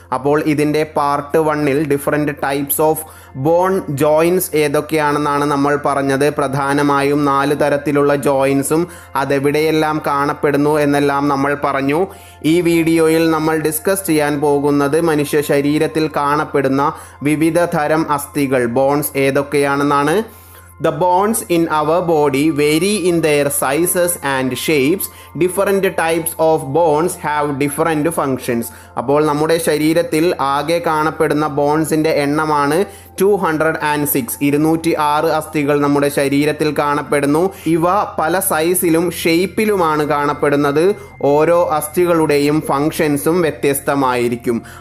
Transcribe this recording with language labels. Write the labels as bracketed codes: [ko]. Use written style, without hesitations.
[ml] അപ്പോൾ ഇതിൻ്റെ part 1 different types of bone joints ഏതൊക്കെയാണെന്നാണ് നമ്മൾ പറഞ്ഞത്. പ്രധാനമായും 4 തരത്തിലുള്ള ജോയിൻസും അതെവിടെയെല്ലാം കാണപ്പെടുന്നു എന്നെല്ലാം നമ്മൾ പറഞ്ഞു. ഈ വീഡിയോയിൽ നമ്മൾ ഡിസ്കസ് ചെയ്യാൻ പോകുന്നത് മനുഷ്യ ശരീരത്തിൽ കാണപ്പെടുന്ന വിവിധ തരം അസ്ഥികൾ, bones ഏതൊക്കെയാണെന്നാണ്. [en] The bones in our body vary in their sizes and shapes. Different types of bones have different functions. [ml] അപ്പോൾ നമ്മുടെ ശരീരത്തിൽ ആകെ കാണപ്പെടുന്ന ബോൺസിൻ്റെ എണ്ണമാണ് 206 അസ്ഥികൾ നമ്മുടെ ശരീരത്തിൽ കാണപ്പെടുന്നു. ഇവ പല സൈസിലും ഷെയ്പ്പിലുമാണ് കാണപ്പെടുന്നത്. ഓരോ അസ്ഥികളുടെയും ഫങ്ഷൻസും വ്യത്യസ്തമായിരിക്കും.